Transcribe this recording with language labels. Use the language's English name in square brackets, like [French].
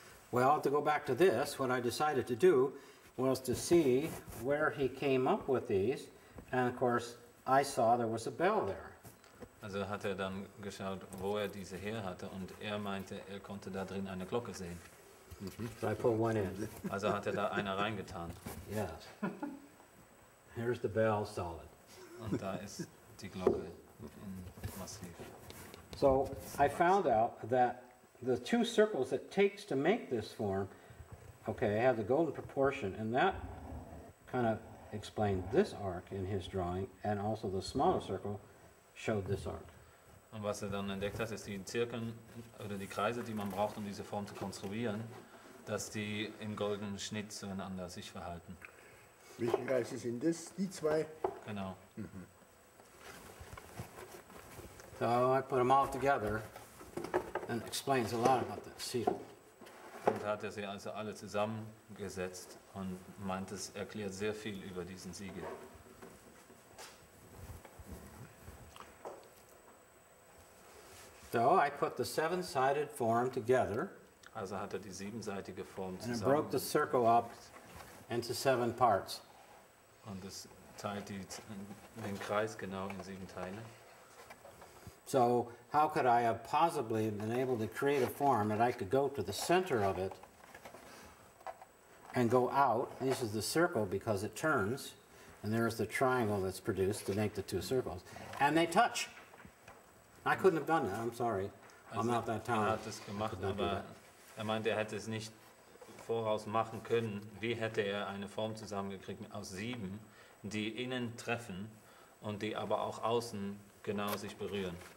[English] Well, to go back to this, what I decided to do was to see where he came up with these, and of course I saw there was a bell there. [German] Also hat er dann geschaut, wo er diese her hatte, und er meinte, er konnte da drin eine Glocke sehen. [English] So I put one in. [German] Also hat er da eine reingetan. [English] Yes. Here's the bell, solid. [German] Und da ist die Glocke in massiv. [English] So I found out that the two circles it takes to make this form, okay, have the golden proportion, and that kind of explained this arc in his drawing, and also the smaller circle showed this arc. [German] Und was er dann entdeckt hat, ist die Zirkel oder die Kreise, die man braucht, um diese Form zu konstruieren, dass die im goldenen Schnitt zueinander sich verhalten. Welche Kreise sind das? Die zwei? Genau. Mhm. [English] So I put them all together and explains a lot about the seal. [German] Und hat er sie also alle zusammengesetzt und meint, es erklärt sehr viel über diesen Siegel. [English] So I put the seven-sided form together. [German] Also hat er die siebenseitige Form zusammen. [English] And it broke the circle up into seven parts. [German] Und es teilt die, den Kreis genau in sieben Teile. [English] So how could I have possibly been able to create a form that I could go to the center of it and go out? This is the circle because it turns, and there is the triangle that's produced to make the two circles, and they touch. I couldn't have done that. I'm sorry. [German] Also [English] I'm not that talented. [German] Er hat es gemacht, aber er meinte, er hätte es nicht voraus machen können. Wie hätte er eine Form zusammengekriegt aus sieben, die innen treffen und die aber auch außen genau sich berühren?